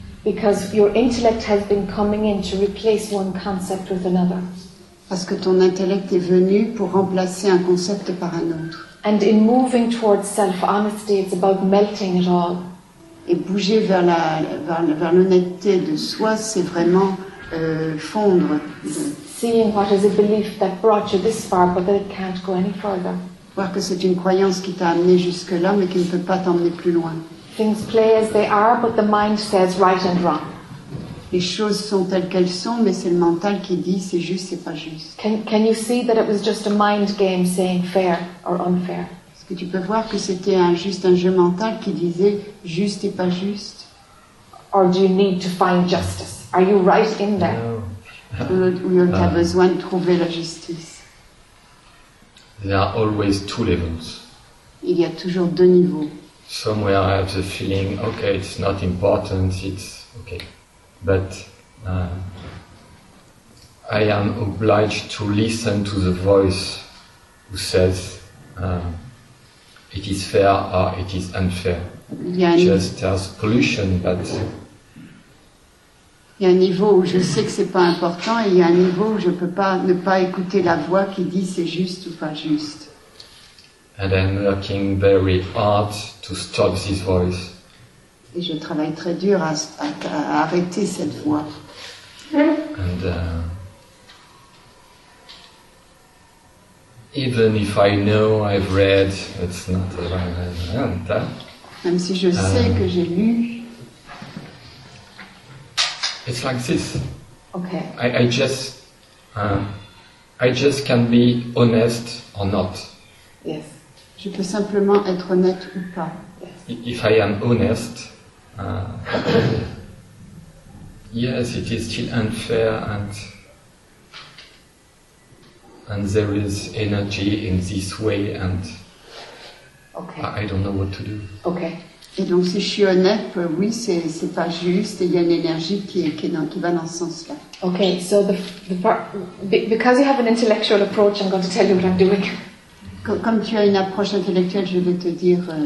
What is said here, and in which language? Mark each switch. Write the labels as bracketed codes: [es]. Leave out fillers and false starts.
[en] Because your intellect has been coming in to replace one concept with another. [fr] Parce que ton intellect est venu pour remplacer un concept par un autre. [en] And in moving towards self-honesty, it's about melting it all. [fr] Et bouger vers l'honnêteté de soi, c'est vraiment fondre. [en] Seeing what is a belief that brought you this far, but that it can't go any further. [fr] Voir que c'est une croyance qui t'a amené jusque-là, mais qui ne peut pas t'emmener plus loin. [en] Things play as they are, but the mind says right and wrong. [fr] Les choses sont telles qu'elles sont, mais c'est le mental qui dit c'est juste, c'est pas juste. [en] Can you see that it was just a mind game saying fair or unfair? [fr] Est-ce que tu peux voir que c'était un jeu mental qui disait juste et pas juste? [en] Or do you need to find justice? Are you right in there? No. [fr] Ou tu as besoin de trouver la justice? [en] There are always two levels. [fr] Il y a toujours deux niveaux. [en] Somewhere I have the feeling, okay, it's not important, it's okay. But I am obliged to listen to the voice who says it is fair or it is unfair. Just as pollution, but [fr] il y a un niveau où je sais que c'est pas important, et il y a un niveau où je peux pas ne pas écouter la voix qui dit c'est juste ou pas juste. [en] And I'm working very hard to stop this voice. [fr] Et je travaille très dur à arrêter cette voix. [en] And even if I know I've read, it's not relevant. [fr] Même si je sais que j'ai lu, [en] it's like this. Okay. I just can be honest or not. Yes. [fr] Je peux simplement être honnête ou pas. [en] Yes. If I am honest. Yes, it is still unfair, and there is energy in this way, and okay. I don't know what to do. Okay. [fr] Et donc, si je suis honnête, oui, c'est pas juste, et il y a une énergie qui va dans ce sens-là. [en] Okay. So because you have an intellectual approach, I'm going to tell you what I'm doing. [fr] Comme tu as une approche intellectuelle, je vais te dire.